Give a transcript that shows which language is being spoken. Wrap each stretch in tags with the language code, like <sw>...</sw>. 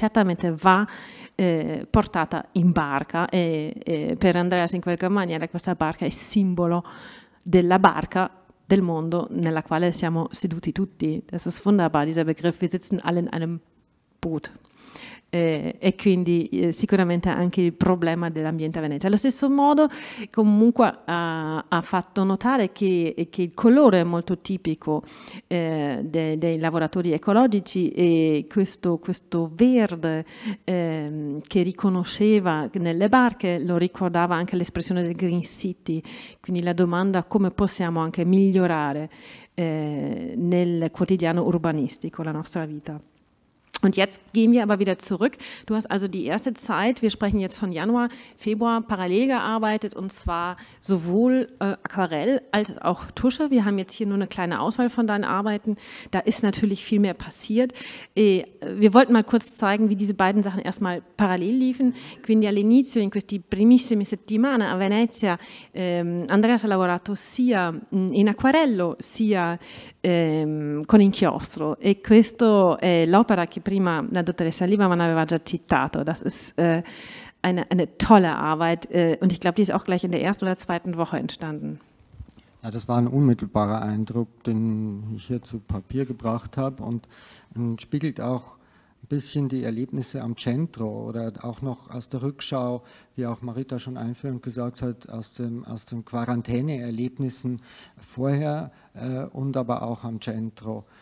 <it>Certamente va portata in barca e per Andreas in qualche maniera questa barca è simbolo della barca del mondo nella quale siamo seduti tutti.</it> <de>Das ist wunderbar, dieser Begriff, wir sitzen alle in einem Boot.</de> <it>E quindi sicuramente anche il problema dell'ambiente a Venezia. Allo stesso modo comunque ha fatto notare che il colore è molto tipico dei lavoratori ecologici e questo verde che riconosceva nelle barche lo ricordava anche l'espressione del Green City, quindi la domanda come possiamo anche migliorare nel quotidiano urbanistico la nostra vita.</it> <de>Und jetzt gehen wir aber wieder zurück. Du hast also die erste Zeit, wir sprechen jetzt von Januar, Februar, parallel gearbeitet und zwar sowohl Aquarell als auch Tusche. Wir haben jetzt hier nur eine kleine Auswahl von deinen Arbeiten. Da ist natürlich viel mehr passiert. Wir wollten mal kurz zeigen, wie diese beiden Sachen erstmal parallel liefen.</de> <it>Quindi all'inizio, in questi primissimi settimane a Venezia, Andreas ha lavorato sia in acquarello sia con inchiostro. E questo è l'opera che prima la dottoressa Liebermann aveva già citato.</it> <de>Das ist eine tolle Arbeit und ich glaube, die ist auch gleich in der ersten oder zweiten Woche entstanden. Ja, das war ein unmittelbarer Eindruck, den ich hier zu Papier gebracht habe und spiegelt auch ein bisschen die Erlebnisse am Centro oder auch noch aus der Rückschau, wie auch Marita schon einführend gesagt hat, aus den Quarantäne-Erlebnissen vorher und aber auch am Centro.</de>